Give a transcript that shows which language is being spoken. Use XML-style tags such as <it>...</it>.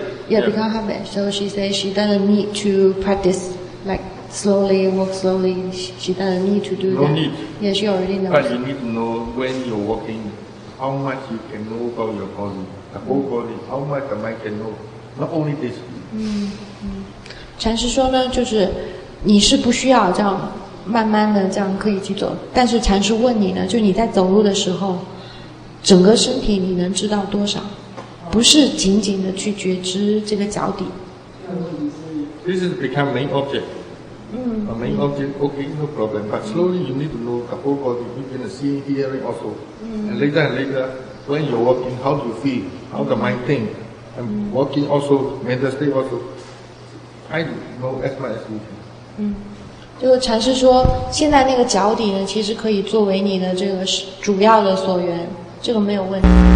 <en>yeah, become habit. So she says she doesn't need to practice like. Slowly, walk slowly. She doesn't need to do no that. No need. Yeah, she already knows. But you need to know when you're walking, how much you can know about your body, the whole body, how much the mind can know. Not only this.</en> <zh>禅师说呢，就是你是不需要这样慢慢的这样可以去走，但是禅师问你呢，就你在走路的时候，整个身体你能知道多少？不是仅仅的去觉知这个脚底。</zh> <en>This is become main object. A main object, okay, no problem. But slowly you need to know the whole body. You can see, hearing also. And later, when you're walking, how do you feel? How the mind think? And walking also, mental state also. I do know as much as you can.</en> <zh>就是禅师说，现在那个脚底呢，其实可以作为你的这个主要的所缘，这个没有问题。</zh>